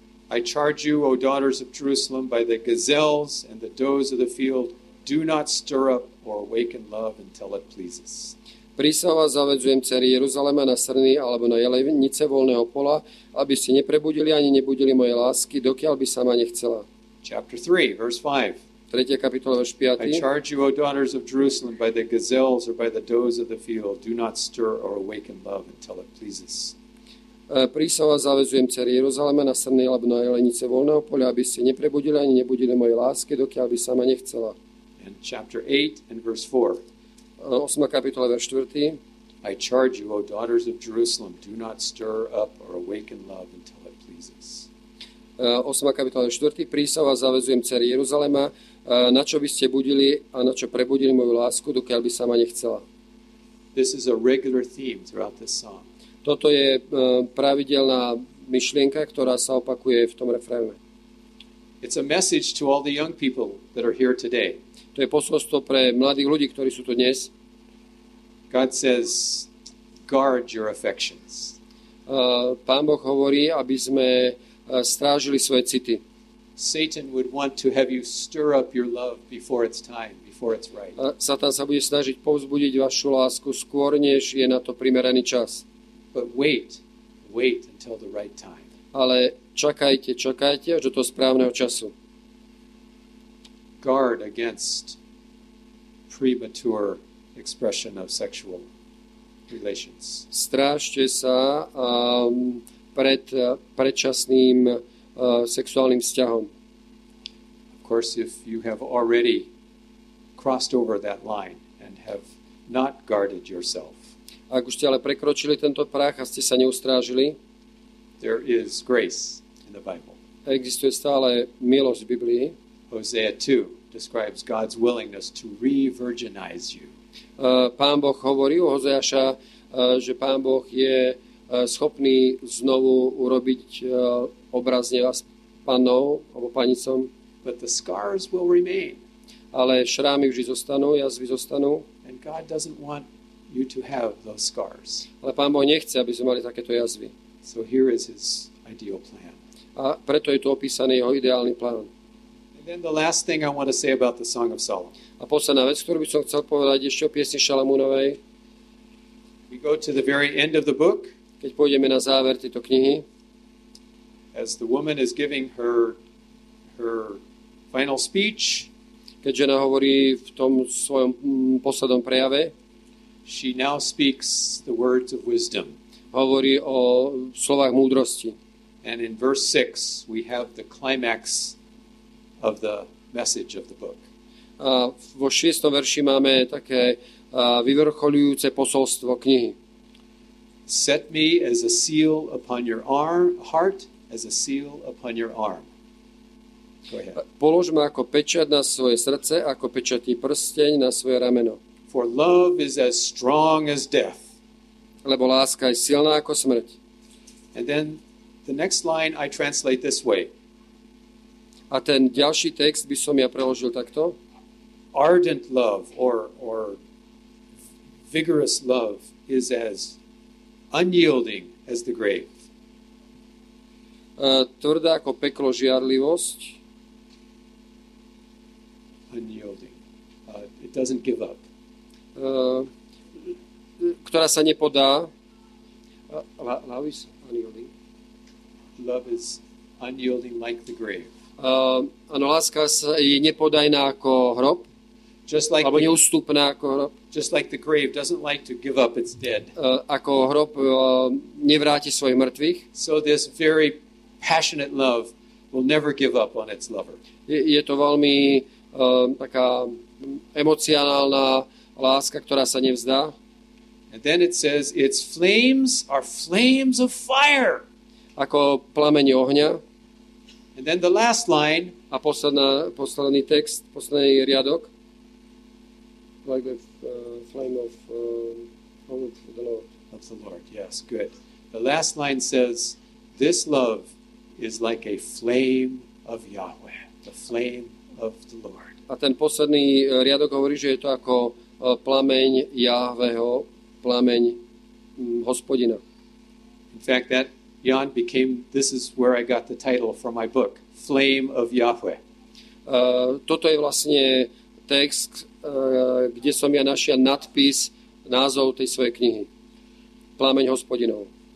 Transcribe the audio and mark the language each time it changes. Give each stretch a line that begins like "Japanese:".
English: I charge you, O daughters of Jerusalem, by the gazelles and the does of the field, do not stir up or awaken love until it pleases.
Slovak: Prísahovať zavedzujem dcery Jeruzalema na srny alebo na jelenice voľného pola, aby si neprebudili ani nebudili moje lásky, dokiaľ by sama nechcela.
English: Chapter 3, verse 5.
Slovak: 3. kapitola, verš 5.
English: I charge you, O daughters of Jerusalem, by the gazelles or by the does of the field, do not stir or awaken love until it pleases.
Slovak: Prísahovať zavedzujem dcery Jeruzalema na srny alebo na jelenice voľného pola, aby si neprebudili ani nebudili moje lásky, dokiaľ by sama nechcela.
English: And chapter 8, and verse 4.
Slovak: 8. kapitola, verš 4.
English: I charge you, O daughters of Jerusalem, do not stir up or awaken love until it pleases.
Slovak: 8. kapitola, verš 4. Prísahu a zavezujem dcery Jeruzalema, na čo by ste budili a na čo prebudili moju lásku, dokiaľ by sama nechcela.
English: This is a regular theme throughout this song.
Slovak: Toto je pravidelná myšlienka, ktorá sa opakuje v tom refréne.
English: It's a message to all the young people that are here today.
Slovak: To je posolstvo pre mladých ľudí, ktorí sú tu dnes.
English: God says, guard your affections.
Slovak: Pán Boh hovorí, aby sme strážili svoje city.
English: Satan would want to have you stir up your love before it's time, before it's right.
Slovak: Satan sa bude snažiť povzbudiť vašu lásku skôr, než je na to primeraný čas.
English: But wait until the right time.
Slovak: Ale čakajte až do toho správneho času.
English: Guard against premature expression of sexual relations.
Slovak: Strážte sa pred predčasným sexuálnym vzťahom.
English: Of course, if you have already crossed over that line and have not guarded yourself.
Slovak: Ak už ste ale prekročili tento prach a ste sa neustrážili,
English: there is grace. the Bible.
Slovak: Existuje stále milosť v Biblii.
English: Hosea 2 describes God's willingness to re-virginize you.
Slovak: Pán Boh hovorí o Hoseáša, že Pán Boh je schopný znovu urobiť obrazne vás pannou alebo panicom.
English: But the scars will remain.
Slovak: Ale šrámy vždy zostanú, jazvy zostanú.
English: And God doesn't want you to have those scars.
Slovak: Ale Pán Boh nechce, aby sme mali takéto jazvy.
English: So here is his ideal plan.
Slovak: A preto je tu opísaný jeho ideálny plán.
English: And then the last thing I want to say about the Song of Solomon.
Slovak: A posledná vec, ktorú by som chcel povedať ešte o piesni Šalamúnovej.
English: We go to the very end of the book.
Slovak: Keď pôjdeme na záver tejto knihy.
English: As the woman is giving her final speech.
Slovak: Keď žena hovorí v tom svojom poslednom prejave.
English: She now speaks the words of wisdom.
Slovak: Hovorí o slovách múdrosti.
English: And in verse 6 we have the climax of the message of the book.
Slovak: A vo 6. verši máme také vyvrcholujúce posolstvo knihy.
English: Set me as a seal upon your arm, heart as a seal upon your arm. Go ahead.
Slovak: Polož ma ako pečať na svoje srdce, ako pečatný prsteň na svoje rameno.
English: For love is as strong as death.
Slovak: Lebo láska je silná ako smrť.
English: And then the next line I translate this way.
Slovak: A ten ďalší text by som ja preložil takto.
English: Ardent love or vigorous love is as unyielding as the grave.
Slovak: Tvrdá ako peklo žiarlivosť.
English: Unyielding. It doesn't give up.
Slovak: Ktorá sa nepodá.
English: Love is unyielding. Love is unyielding like the grave.
Slovak: Áno, láska je nepodajná ako hrob.
English: Just like
Slovak: alebo neústupná ako hrob.
English: Just like the grave doesn't like to give up its dead.
Slovak: Ako hrob nevráti svojich mŕtvych.
English: So this very passionate love will never give up on its lover.
Slovak: Je to veľmi taká emocionálna láska, ktorá sa nevzdá.
English: And then it says its flames are flames of fire.
Slovak: Ako plamene ohňa.
English: And then the last line.
Slovak: A posledný text, posledný riadok.
English: Like the flame of the Lord. Of the Lord, yes, good. The last line says, this love is like a flame of Yahweh. The flame of the Lord.
Slovak: A ten posledný riadok hovorí, že je to ako plameň Jahvého, plameň Hospodina.
English: In fact, that Jan became, this is where I got the title for my book, Flame of Yahweh.
Slovak: Toto je vlastne text, kde som ja našiel nadpis, názov tej svojej knihy. Plámeň Hospodinov.